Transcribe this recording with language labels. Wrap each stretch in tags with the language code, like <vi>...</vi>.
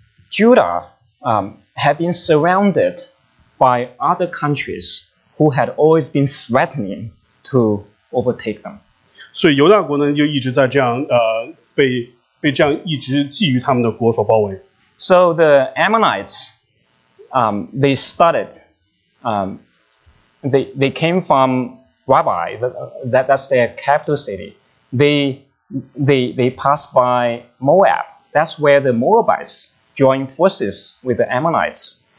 <en>Judah had been surrounded by other countries who had always been threatening to overtake them.</en> <zh>所以犹大国呢就一直在这样被。被这样一直觊觎他们的国所包围。So</zh> <en>the Ammonites, they started, they came from Rabbah, that's their capital city. They passed by Moab. That's where the Moabites joined forces with the Ammonites.</en>